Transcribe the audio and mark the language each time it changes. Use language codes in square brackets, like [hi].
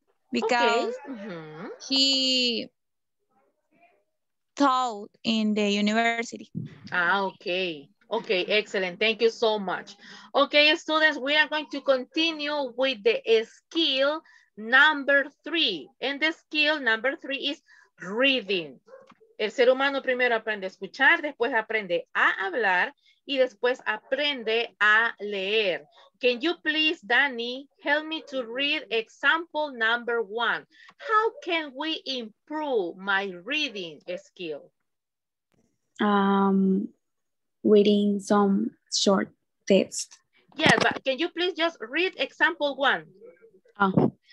[en] Because he taught in the university. Ah, okay. Okay, excellent. Thank you so much. Okay, students, we are going to continue with the skill number 3. And the skill number 3 is reading. [es] El ser humano primero aprende a escuchar, después aprende a hablar, y después aprende a leer. [en] Can you please, Danny, help me to read example number 1? How can we improve my reading skill? Reading some short text. Yes, but can you please just read example 1?